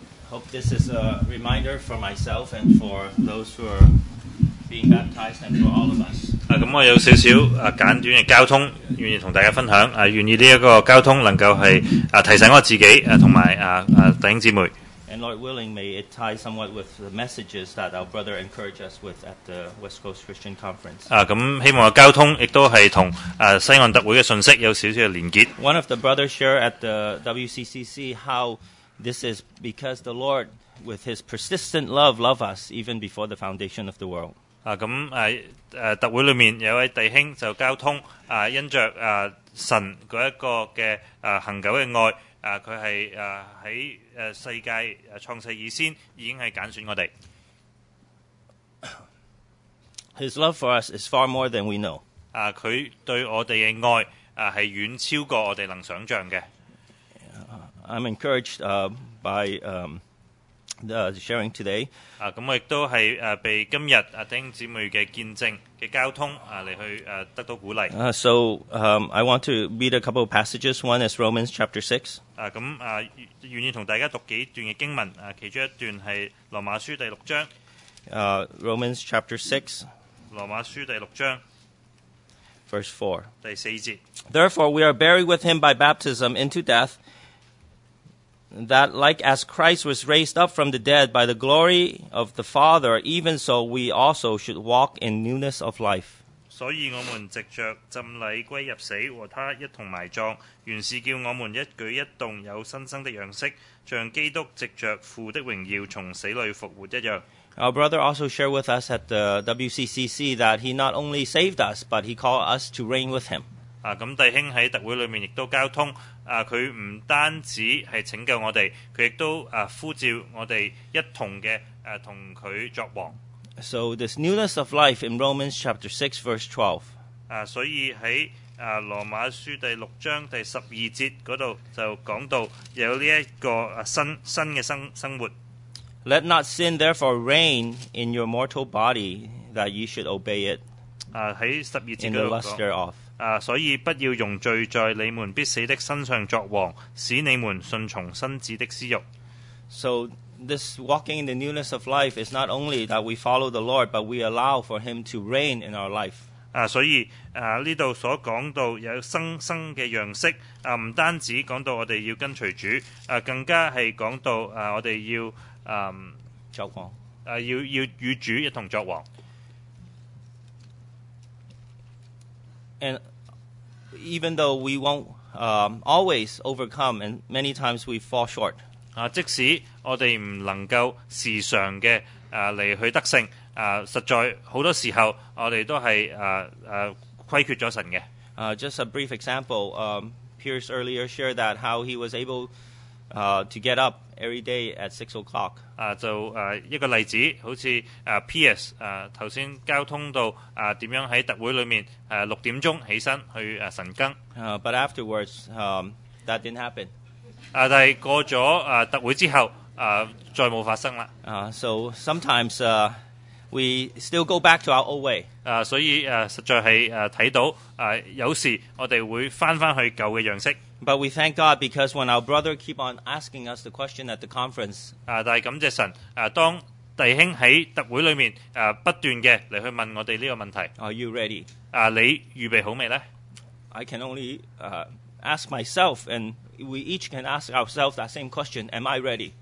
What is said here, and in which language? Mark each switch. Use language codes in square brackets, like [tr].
[en] Hope this is a reminder for myself and for those who are.Being baptized and for all of us. [yue] 咁我有少少簡短嘅交通，願意同大家分享，願意呢一個交通能夠係提醒我自己同埋弟兄姊妹。 [en] And Lord willing, may it tie somewhat with the messages that our brother encouraged us with at the West Coast Christian Conference. [yue] 咁希望交通亦都係同西岸特會嘅信息有少少嘅連結。 [en] One of the brothers shared at the WCCC how this is because the Lord, with His persistent love, loved us even before the foundation of the world. [yue] 咁特會裏面有位弟兄就交通因著神嗰一個嘅恆久嘅愛。佢係喺世界創世以先已經係揀選我哋。 [en] His love for us is far more than we know。 [yue] 佢對我哋嘅愛係遠超過我哋能想像嘅。 [en] I'm encouraged by the sharing today。 [yue] 咁我亦都係被今日弟兄姊妹嘅見證嘅交通嚟去得到鼓勵。 [en] I want to read a couple of passages. One is Romans chapter 6. [yue] 咁願意同大家讀幾段嘅經文，其中一段係羅馬書第六章。 [en] Romans chapter 6, [yue] 羅馬書第六章 [en] verse [yue] 4, 第四節。 [en] Therefore we are buried with him by baptism into death, that like as Christ was raised up from the dead by the glory of the Father, even so we also should walk in newness of life. [yue] 所以我们藉着浸礼归入死，和他一同埋葬，原是叫我们一举一动有新生的样式，像基督藉着父的荣耀从死里复活一样。 [en] Our brother also shared with us at the WCCC that he not only saved us, but he called us to reign with him. [yue] 咁弟兄喺特会里面亦都交通，佢唔单止系拯救我哋，佢亦都呼召我哋一同嘅，同佢作王。 [en] So this newness of life in Romans chapter 6 verse 12. [yue] 所以喺羅馬書第六章第十二節嗰度就講到有呢一個新嘅生活。 [en] Let not sin therefore reign in your mortal body that ye should obey it. [yue] 喺十二節嗰度講。所以不要容罪在你們必死的身上作王，使你們順從身子的私欲。 [en] So,this walking in the newness of life is not only that we follow the Lord, but we allow for Him to reign in our life. [yue] 所以呢度所讲到有新嘅样式，唔单止讲到我哋要跟随主，更加系讲到我哋要作王，要与主一同作王。 [en] And even though we won't always overcome, and many times we fall short. [yue] 即使我哋唔能够时常嘅嚟去得胜，实在好多时候我哋都系亏缺咗神嘅。 [en] Just a brief example, Pierce earlier shared that how he was able to get up every day at 6 o'clock. [yue] 一个例子，好似Pierce 头先交通到点样喺特会里面六点钟起身去神更。 [en] But afterwards, that didn't happen. [yue] 但係過咗特會之後，再冇發生啦。 [en] So sometimes we still go back to our old way。 [yue] 所以實在係睇到有時我哋會翻去舊嘅樣式。 [en] But we thank God because when our brother keep on asking us the question at the conference。 [yue] 但係感謝神，當弟兄喺特會裏面不斷嘅嚟去問我哋呢個問題。 [en] Are you ready？ [yue] 你預備好未咧 [en] ？I can only ask myself and. We each can ask ourselves that same question, am I ready?